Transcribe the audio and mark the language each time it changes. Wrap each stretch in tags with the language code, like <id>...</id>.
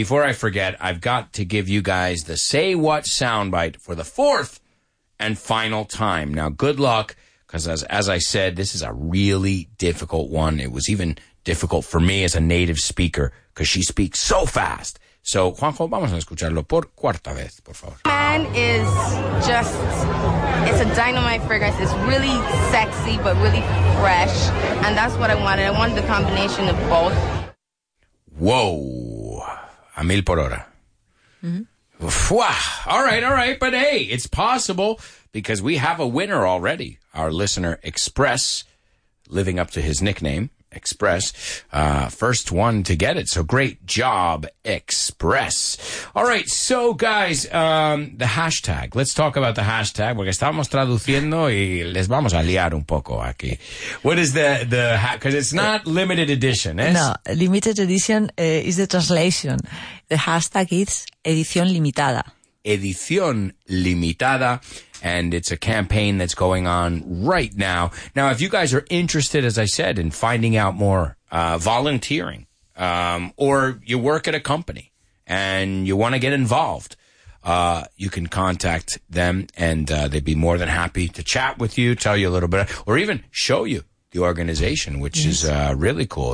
<en>Before I forget, I've got to give you guys the Say What soundbite for the fourth and final time. Now, good luck. Because as I said, this is a really difficult one. It was even difficult for me as a native speaker because she speaks so fast.</en> <es>So, Juanjo, vamos a escucharlo por cuarta vez, por favor.</es> <en>Man is just, it's a dynamite fragrance. It's really sexy, but really fresh. And that's what I wanted. I wanted the combination of both.</en> <es>Whoa. A mil por hora. Mm-hmm.</es> <en>All right. But hey, it's possible because we have a winner already. Our listener, Express, living up to his nickname, Express, first one to get it. So great job, Express. All right, so guys, the hashtag. Let's talk about the hashtag.</en> <es>Porque estamos traduciendo y les vamos a liar un poco aquí.</es> <en>What is the because it's not limited edition, ¿eh? No, limited edition is the translation. The hashtag is edición limitada.</en> <es>Edición limitada.</es> <en>And it's a campaign that's going on right now. Now, if you guys are interested, as I said, in finding out more, volunteering, or you work at a company and you want to get involved, you can contact them and, they'd be more than happy to chat with you, tell you a little bit, or even show you the organization, which yes. is, really cool.</en>